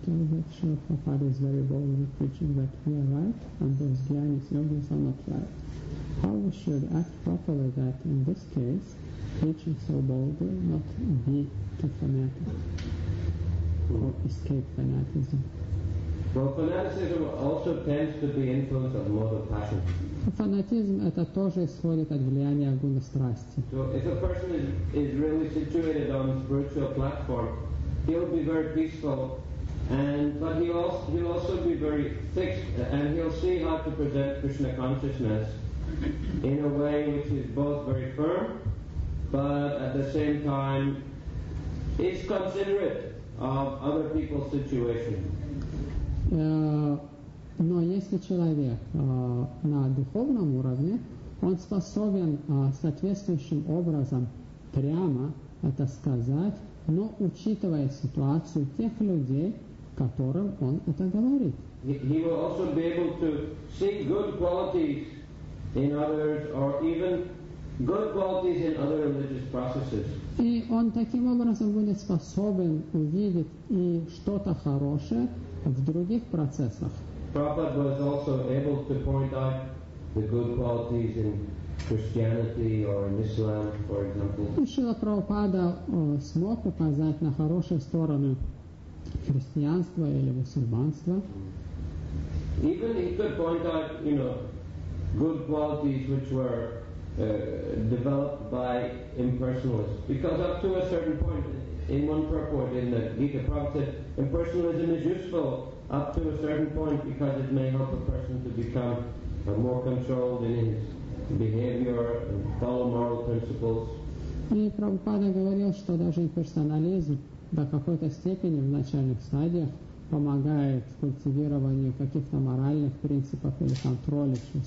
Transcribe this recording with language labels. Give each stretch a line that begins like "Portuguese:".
English: Is very bold in preaching that we are right and those jnanis yogis are not right. How we should act properly that in this case, preaching so boldly not be too fanatic or escape fanaticism? Well, fanaticism also tends to be influenced by the mode of passion.
Russian: Фанатизм — это тоже исходит от влияния гуны страсти.
English: So if a person is really situated on a spiritual platform, he'll be very peaceful. But he'll also be very fixed, and he'll see how to present Krishna consciousness in a way which is both very firm, but at the same time is considerate of other people's situation.
Russian: Но если человек на духовном уровне, он способен соответствующим образом прямо это сказать, но учитывая ситуацию тех людей, которым он это говорит.
English: He will also be able to see good qualities in others, or even good qualities in other religious processes.
Russian: И он таким образом будет способен увидеть и что-то хорошее в других процессах.
English: Prabhupada was also able to point out the good qualities in Christianity or in Islam, for example.
Russian: Шрила Прабхупада смог показать на хорошие стороны христианства или мусульманства.
English: Even he could point out, you know, good qualities which were developed by impersonalists. Because up to a certain point, in one purport in the Gita, Prabhupada said, impersonalism is useful up to a certain point because it may help a person to become more controlled in his behavior and follow moral principles.
Russian: И Прабхупада говорил, что даже имперсонализм до какой-то степени в начальных стадиях помогает в культивировании каких-то моральных принципов или контроля чувств.